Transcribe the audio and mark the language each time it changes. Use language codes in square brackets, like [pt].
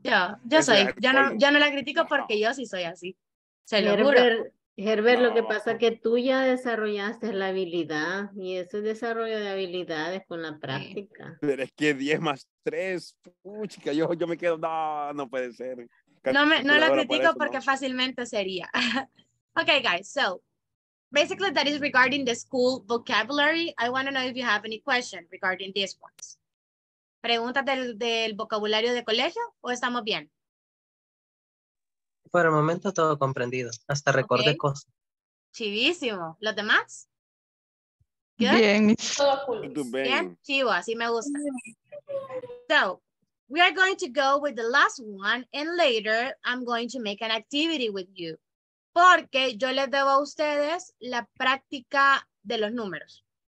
[es] Yo no la critico porque yo sí soy así. Se lo juro. Herbert, lo que pasa es que tú ya desarrollaste la habilidad y eso es desarrollo de habilidades con la práctica. Pero es que 10 más 3, puchica, yo me quedo, no puede ser. No lo critico porque fácilmente sería. [en] Okay, guys, so basically that is regarding the school vocabulary. I want to know if you have any question regarding these ones. [es] ¿Preguntas del vocabulario de colegio o estamos bien? Por el momento todo comprendido. Hasta recordé cosas. Chivísimo. ¿Los demás? ¿Good? Bien. Todo cool. Bien. Chivo, así me gusta. [en] So, we are going to go with the last one and later I'm going to make an activity with you. [es] Porque yo les debo a ustedes la práctica de los números.